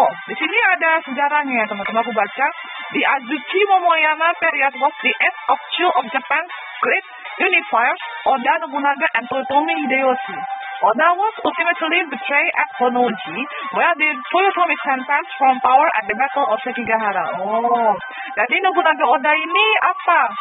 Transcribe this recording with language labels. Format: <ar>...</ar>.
<id>Di sini ada sejarahnya ya teman-teman, aku baca.</id> <en>Di Azuchi Momoyama period was the end of two of Japan's great unifiers, Oda Nobunaga and Toyotomi Hideyoshi. Oda was ultimately betrayed at Honnoji, where the Toyotomi clan passed from power at the Battle of Sekigahara.</en> <id>Jadi Nobunaga Oda ini apa?</id>